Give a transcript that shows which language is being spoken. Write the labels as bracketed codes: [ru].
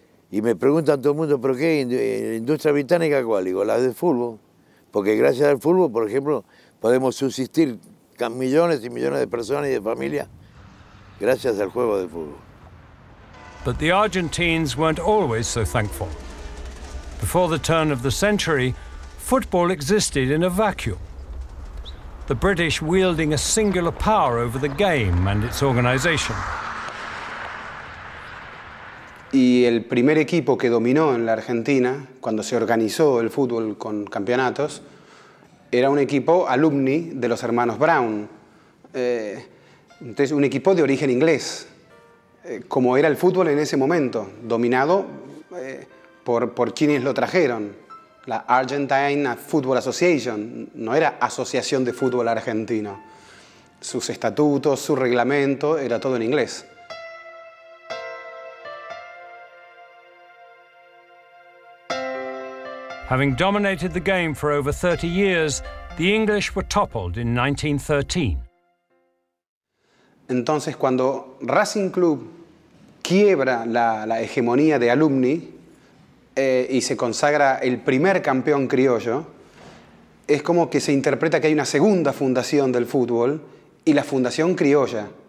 [es] Y me preguntan todo el mundo, ¿pero qué? ¿La industria británica cuál? Digo, la del fútbol. Porque gracias al fútbol, por ejemplo, podemos subsistir millones y millones de personas y de familias gracias al juego de fútbol. [en] But the Argentines weren't always so thankful. Before the turn of the century, football existed in a vacuum. The British wielding a singular power over the game and its organization. [es] Y el primer equipo que dominó en la Argentina cuando se organizó el fútbol con campeonatos era un equipo alumni de los hermanos Brown. Entonces, un equipo de origen inglés, como era el fútbol en ese momento, dominado por quienes lo trajeron. La Argentine Football Association no era asociación de fútbol argentino. Sus estatutos, su reglamento, era todo en inglés. [en] Having dominated the game for over 30 years, the English were toppled in 1913. [es] Entonces, cuando Racing Club quiebra la hegemonía de alumni y se consagra el primer campeón criollo, es como que se interpreta que hay una segunda fundación del fútbol y la fundación criolla.